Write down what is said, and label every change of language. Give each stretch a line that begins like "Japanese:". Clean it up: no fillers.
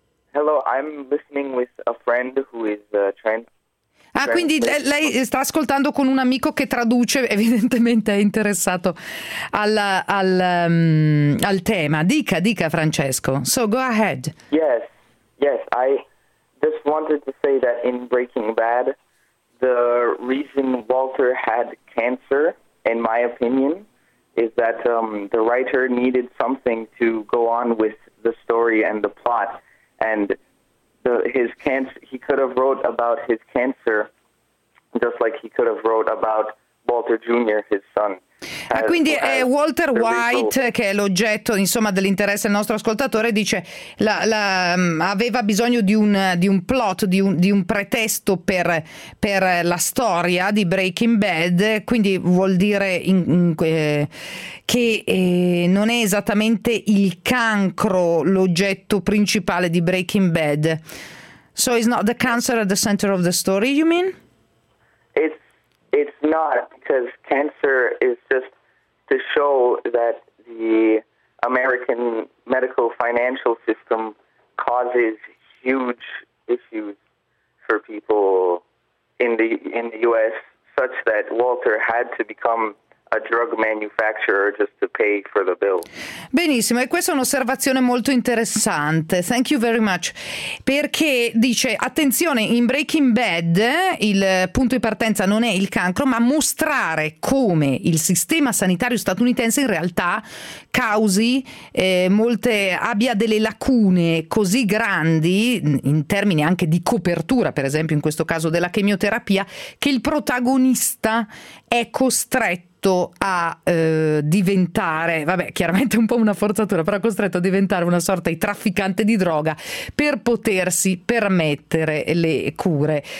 English: Hello, I'm listening with a friend who is trans.
Italian: Ah, quindi lei sta ascoltando con un amico che traduce, evidentemente è interessato al tema. Dica Francesco.
English: So go ahead. Yes, I just wanted to say that in Breaking Bad, the reason Walter had cancer, in my opinion, is that the writer needed something to go on with the story and the plot. and his cancer. He could have wrote about his cancer, just like he could have wrote about Walter Jr., his son.
Italian: Ah, quindi è Walter White che è l'oggetto, insomma, dell'interesse del nostro ascoltatore, dice aveva bisogno di un plot, di un pretesto per la storia di Breaking Bad, quindi vuol dire non è esattamente il cancro l'oggetto principale di Breaking Bad.
English: So it's not the cancer at the center of the story, you mean? It's not, because cancer is just to show that the American medical financial system causes huge issues for people in the U.S., such that Walter had to become a drug manufacturer just to pay for the bill.
Italian: Benissimo, e questa è un'osservazione molto interessante.
English: Thank you very much.
Italian: Perché dice, attenzione, in Breaking Bad il punto di partenza non è il cancro, ma mostrare come il sistema sanitario statunitense in realtà causi molte, abbia delle lacune così grandi in termini anche di copertura, per esempio in questo caso della chemioterapia, che il protagonista è costretto a diventare, vabbè, chiaramente un po' una forzatura, però costretto a diventare una sorta di trafficante di droga per potersi permettere le cure.